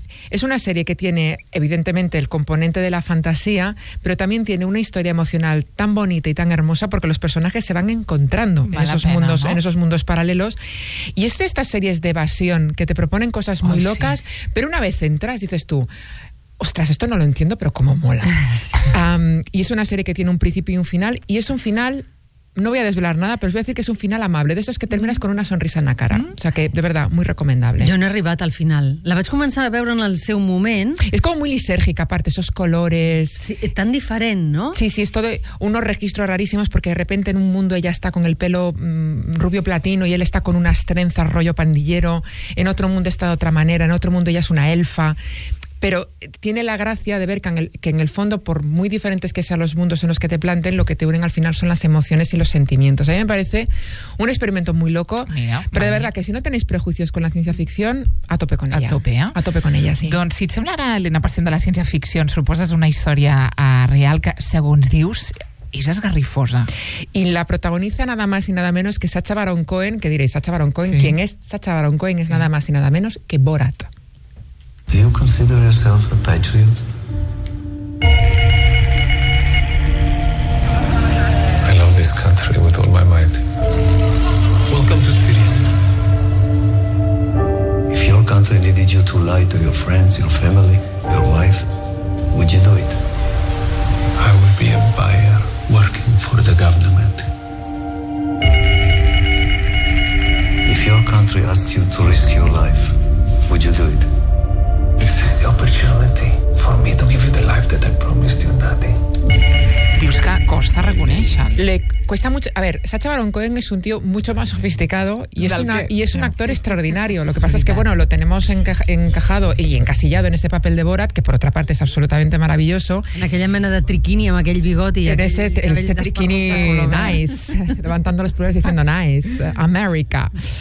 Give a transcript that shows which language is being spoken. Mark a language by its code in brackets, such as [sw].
[es] Es una serie que tiene evidentemente el componente de la fantasía, pero también tiene una historia emocional tan bonita y tan hermosa porque los personajes se van encontrando en esos mundos paralelos, y es de estas series de evasión que te proponen cosas muy locas, sí. pero una vez entras dices tú, ostras, esto no lo entiendo, pero cómo mola. Y es una serie que tiene un principio y un final, y es un final, no voy a desvelar nada, pero os voy a decir que es un final amable, de esos que terminas con una sonrisa en la cara. O sea que, de verdad, muy recomendable. [ca] Jo no he arribat al final. La vaig començar a veure en el seu moment. [es] Es como muy lisérgica, aparte, esos colores. [ca] Sí, tan diferent, ¿no? [es] Sí, sí, es todo unos registros rarísimos, porque de repente en un mundo ella está con el pelo rubio platino y él está con unas trenzas rollo pandillero, en otro mundo está de otra manera, en otro mundo ella es una elfa. Pero tiene la gracia de ver que en el fondo, por muy diferentes que sean los mundos en los que te planten, lo que te unen al final son las emociones y los sentimientos. A mí me parece un experimento muy loco, pero de verdad que si no tenéis prejuicios con la ciencia ficción, a tope con ella. A tope, ¿eh? A tope con ella, sí. [ca] Doncs si et semblarà, Elena, parlant de la ciència ficció, ens proposes una història real que, segons dius, és esgarrifosa. [es] Y la protagoniza nada más y nada menos que Sacha Baron Cohen, que diréis, ¿Sacha Baron Cohen? Sí. ¿Quién es? Sacha Baron Cohen es nada más y nada menos que Borat. [en] Do you consider yourself a patriot? I love this country with all my might. Welcome to Syria. If your country needed you to lie to your friends, your family, your wife, would you do it? I would be a buyer working for the government. If your country asked you to risk your life, would you do it? This is the opportunity for me to give you the life that I promised you, Daddy. [ca] Dius que costa reconèixer-lo. [es] Cuesta mucho. A ver, Sacha Baron Cohen es un tío mucho más sofisticado y es un actor extraordinario. Lo que pasa es que, bueno, lo tenemos encajado y encasillado en ese papel de Borat, que por otra parte es absolutamente maravilloso. [ca] En aquella mena de triquini, [es] en aquel bigote. En ese triquini nice. Levantando los pulgares diciendo nice. America.